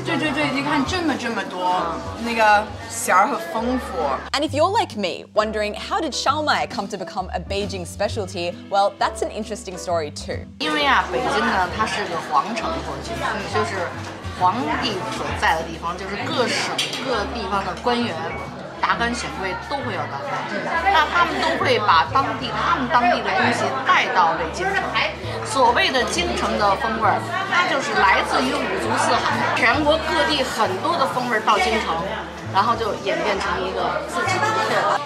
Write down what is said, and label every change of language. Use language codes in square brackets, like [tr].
[zh] 对对对，你看这么多，那个馅儿很丰富。 [en] And if you're like me, wondering how did shawarma come to become a Beijing specialty, well, that's an interesting story too. [zh] 因为啊，北京呢，它是个皇城过去，就是皇帝所在的地方，就是各省各地方的官员。达官显贵都会有到来，那他们都会把他们当地的东西带到这京城。所谓的京城的风味，它就是来自于五族四海，全国各地很多的风味到京城，然后就演变成一个自己独特。